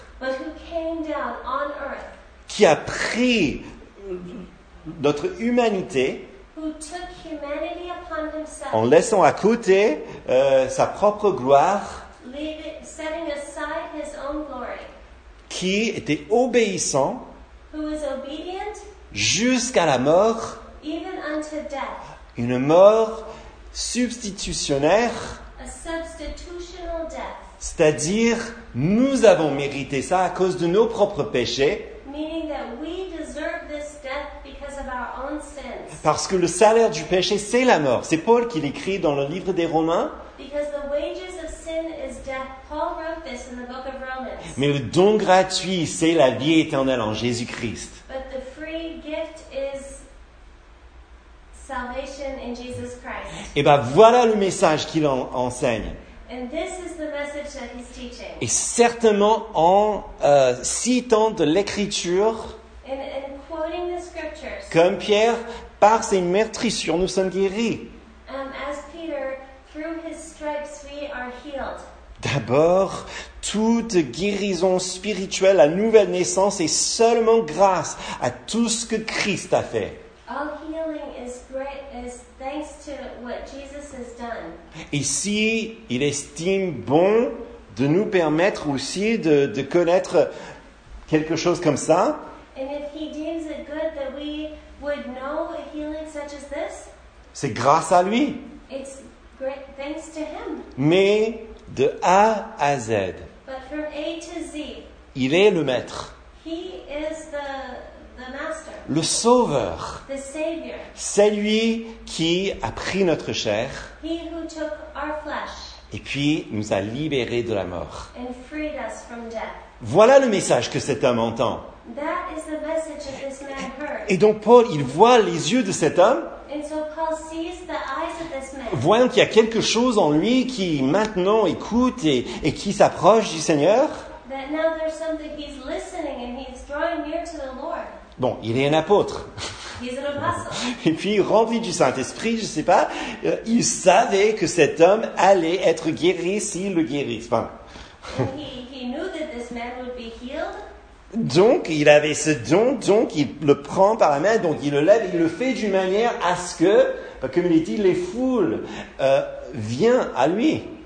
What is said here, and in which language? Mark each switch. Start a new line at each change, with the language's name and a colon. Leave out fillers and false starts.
English: but who came down on earth,
French: qui a pris notre humanité,
English: who took humanity upon himself,
French: en laissant à côté sa propre gloire,
English: setting aside his own glory,
French: qui était obéissant,
English: who is obedient,
French: jusqu'à la mort,
English: even unto death.
French: Une mort substitutionnaire,
English: a substitutional death.
French: C'est-à-dire, nous avons mérité ça à cause de nos propres péchés,
English: meaning that we deserve this death because of our own sins.
French: Parce que le salaire du péché, c'est la mort. C'est Paul qui l'écrit dans le livre des Romains.
English: Because the wages of sin is death. Paul wrote this in the book of Romans.
French: Mais le don gratuit, c'est la vie éternelle en Jésus-Christ.
English: But the free gift is salvation in Jesus Christ.
French: Et bien, voilà le message qu'il enseigne.
English: And this is the message that he's teaching.
French: Et certainement, en citant de l'Écriture,
English: in quoting the scriptures,
French: comme Pierre, par ses meurtrissures, nous sommes guéris.
English: As Peter, through his stripes, we are healed.
French: D'abord, toute guérison spirituelle, la nouvelle naissance, est seulement grâce à tout ce que Christ a fait.
English: All healing is great, is thanks to what Jesus has done.
French: Et si il estime bon de nous permettre aussi de connaître quelque chose comme ça,
English: and if he deems it good that we would know a healing such as this,
French: c'est grâce à lui.
English: It's great, thanks to him.
French: Mais de A à Z,
English: but from A to Z,
French: il est le maître.
English: He is the master.
French: Le sauveur.
English: The savior.
French: C'est lui qui a pris notre chair.
English: He who took our flesh.
French: Et puis nous a libérés de la mort.
English: And freed us from death.
French: Voilà le message que cet homme entend.
English: That is the message that this man heard.
French: Et donc Paul, il voit les yeux de cet homme.
English: And so Paul sees the eyes of this man.
French: Voyant qu'il y a quelque chose en lui qui maintenant écoute et qui s'approche du Seigneur.
English: That now there's something he's listening and he's drawing near to the Lord.
French: Bon, il est un apôtre.
English: He's an apostle.
French: Et puis, rempli du Saint-Esprit, je ne sais pas, il savait que cet homme allait être guéri s'il le guérit. Enfin.
English: He knew that this man would be healed.
French: Donc, il avait ce don, donc il le prend par la main, donc il le lève, il le fait d'une manière à ce que, comme il dit, les foules viennent à lui.